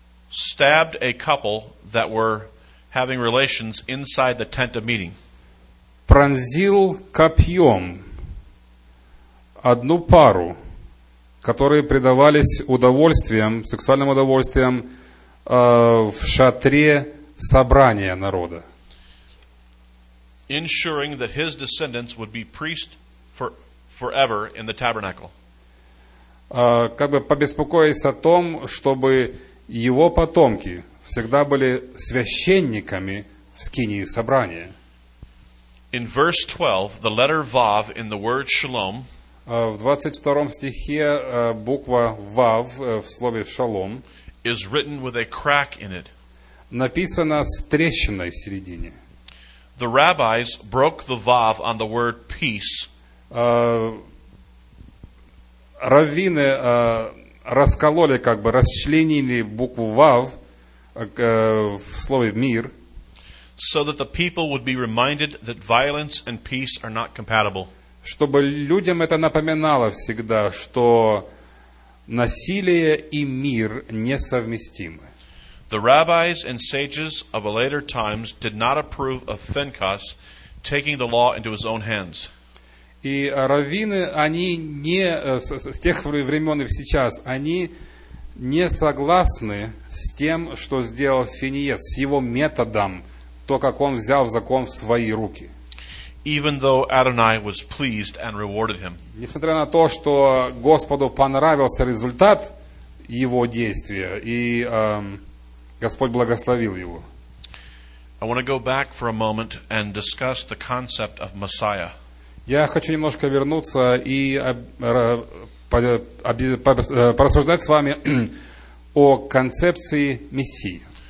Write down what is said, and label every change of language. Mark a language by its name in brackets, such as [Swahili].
[English] stabbed a couple that were having relations inside the tent of meeting. [Russian] Пронзил копьем одну пару, которые предавались удовольствиям, сексуальным удовольствиям в шатре собрания народа. [English] Ensuring that his descendants would be priests forever in the tabernacle. [Russian] Как бы побеспокоиться о том, чтобы его потомки всегда были священниками в скинии собрания. [English] In verse 12, the letter Vav in the word Shalom. [Russian] В 22 стихе буква Вав в слове Шалом [English] is written with a crack in it. [Russian] Написано с трещиной в середине. [English] The rabbis broke the Vav on the word peace. [Russian] Раввины раскололи, как бы расчленили букву Вав в слове мир. [English] So that the people would be reminded that violence and peace are not compatible. [Russian] Чтобы людям это напоминало всегда, что насилие и мир несовместимы. [English] The rabbis and sages of a later times did not approve of Finkas taking the law into his own hands. [Russian] И раввины, они не с тех времен и сейчас, они не согласны с тем, что сделал Финиес, с его методом, то, как он взял закон в свои руки. [English] Even though Adonai was pleased and rewarded him. [Russian] Несмотря на то, что Господу понравился результат его действия и Господь благословил его. [English] I want to go back for a moment and discuss the concept of Messiah. [Russian] Я хочу немножко вернуться и порассуждать с вами о концепции Мессии.